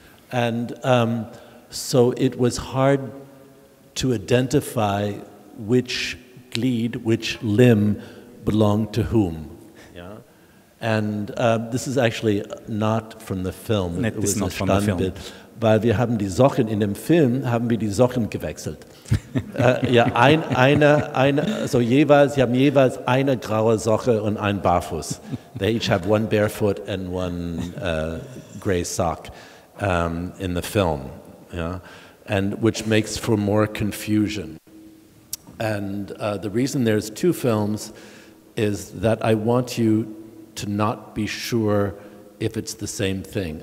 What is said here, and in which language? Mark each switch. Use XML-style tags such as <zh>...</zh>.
<en>And so it was hard to identify which glied, which limb belonged to whom. Yeah. And this is actually not from the film. It was not from the film.</en> <de>Weil wir haben die Socken in dem Film, haben wir die Socken gewechselt. ja, sie haben jeweils eine graue Socke und ein Barfuß.</de> <en>They each have one barefoot and one gray sock in the film. Yeah? And which makes for more confusion. And the reason there's two films is that I want you to not be sure if it's the same thing.</en>